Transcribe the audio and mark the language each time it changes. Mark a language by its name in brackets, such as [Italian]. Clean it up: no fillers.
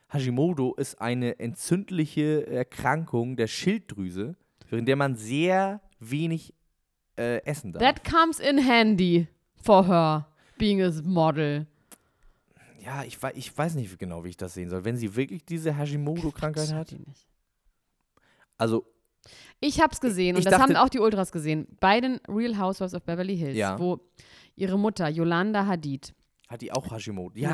[German] Hashimoto ist eine entzündliche Erkrankung der Schilddrüse, während der man sehr wenig essen darf. [English] That comes in handy for her, being a model. [German] Ja, ich weiß nicht genau, wie ich das sehen soll. Wenn sie wirklich diese Hashimoto-Krankheit hat. Nicht. Also. Ich hab's gesehen und das haben auch die Ultras gesehen. Bei den Real Housewives of Beverly Hills, ja. Wo ihre Mutter, Yolanda Hadid. Hat die auch Hashimoto? Die